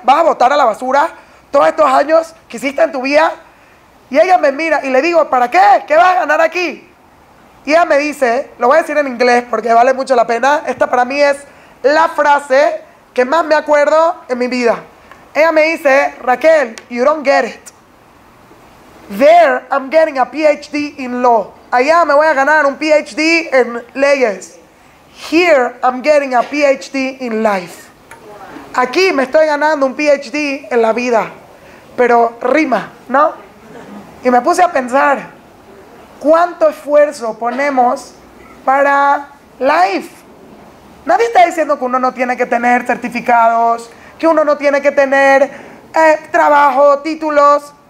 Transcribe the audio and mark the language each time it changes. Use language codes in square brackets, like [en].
[es] ¿Vas a botar a la basura todos estos años que hiciste en tu vida? Y ella me mira y le digo, ¿para qué? ¿Qué vas a ganar aquí? Y ella me dice, lo voy a decir en inglés porque vale mucho la pena, esta para mí es la frase que más me acuerdo en mi vida. Ella me dice, [en] Raquel, you don't get it. There, I'm getting a PhD in law. [es] Allá me voy a ganar un PhD en leyes. [en] Here, I'm getting a PhD in life. [es] Aquí me estoy ganando un PhD en la vida. Pero rima, ¿no? Y me puse a pensar, ¿cuánto esfuerzo ponemos para life? Nadie está diciendo que uno no tiene que tener certificados, que uno no tiene que tener trabajo, títulos.